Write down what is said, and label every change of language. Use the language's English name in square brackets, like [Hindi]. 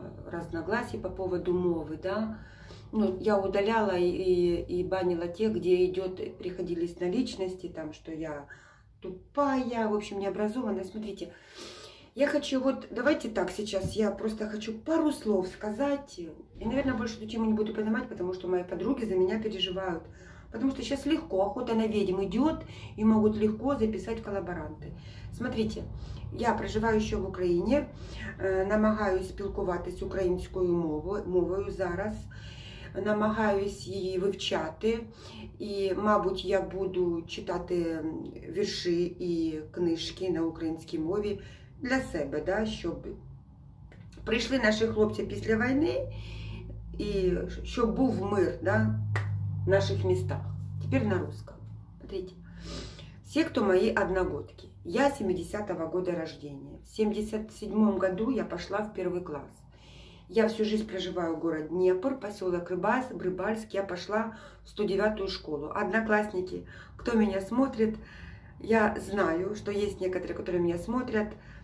[Russian] разногласий по поводу мовы, да. Ну, я удаляла и банила тех, где идет, приходились на личности, там, что я тупая, в общем, необразованная. Смотрите, я хочу вот, давайте так сейчас, я просто хочу пару слов сказать. И, наверное, больше эту тему не буду поднимать, потому что мои подруги за меня переживают. Потому что сейчас легко, охота на ведьм идет, и могут легко записать коллаборанты. Смотрите, я проживаю еще в Украине, [Ukrainian] намагаюсь спілкуватись українською мовою зараз, намагаюсь її вивчати, і, мабуть, я буду читати вірші і книжки на українській мові для себе, да, щоб прийшли наші хлопці після війни, і щоб був мир, да, в наших містах. Тепер на русском. Смотрите, всі, хто мої одногодки. [Russian] Я 70-го года рождения. В 77-м году я пошла в первый класс. Я всю жизнь проживаю в городе Днепр, поселок Рыбальск. Я пошла в 109-ю школу. Одноклассники, кто меня смотрит, я знаю, что есть некоторые, которые меня смотрят.